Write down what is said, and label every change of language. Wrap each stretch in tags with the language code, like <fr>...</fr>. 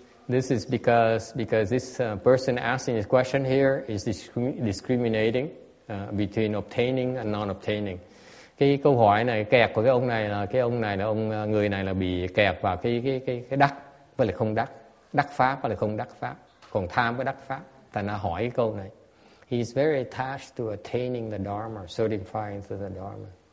<en>This is because this person asking this question here is discriminating between obtaining and non-obtaining.</en> <vi>Cái câu hỏi này kẹt của cái ông này là ông người này là bị kẹt vào cái đắc với lại không đắc, đắc pháp với lại không đắc pháp, còn tham với đắc pháp. Tại nó hỏi câu này.</vi> <en>He is very attached to attaining the dharma, certifying to the dharma.</en>